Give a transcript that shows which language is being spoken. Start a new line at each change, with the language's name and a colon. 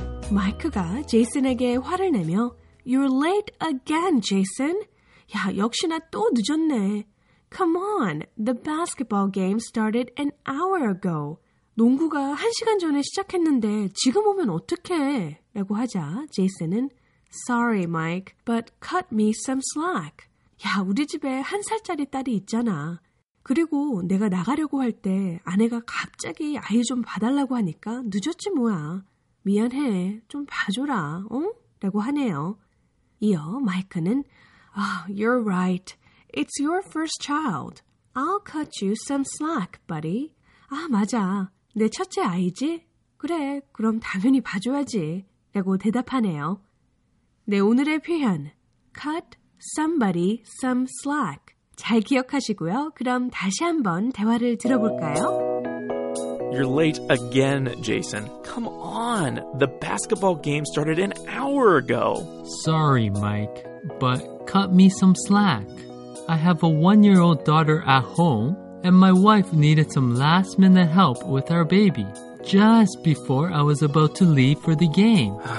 Korean: 마이크가 제이슨에게 화를 내며
English: You're late again, Jason.
Korean: 야, 역시나 또 늦었네.
English: Come on, the basketball game started an hour ago.
Korean: 농구가 한 시간 전에 시작했는데 지금 오면 어떡해? 라고 하자 제이슨은
English: Sorry, Mike, but cut me some slack.
Korean: 야, 우리 집에 한 살짜리 딸이 있잖아. 그리고 내가 나가려고 할 때 아내가 갑자기 아이 좀 봐달라고 하니까 늦었지 뭐야. 미안해, 좀 봐줘라, 응? 라고 하네요. 이어 마이크는
English: Oh, you're right. It's your first child. I'll cut you some slack, buddy.
Korean: 아, 맞아. 내 첫째 아이지? 그래, 그럼 당연히 봐줘야지. 라고 대답하네요. 네, 오늘의 표현,
English: cut somebody some slack.
Korean: 잘 기억하시고요. 그럼 다시 한번 대화를 들어볼까요?
English: You're late again, Jason. Come on, the basketball game started an hour ago. Sorry, Mike, but cut me some slack. I have a one-year-old daughter at home, and my wife needed some last-minute help with our baby just before I was about to leave for the game.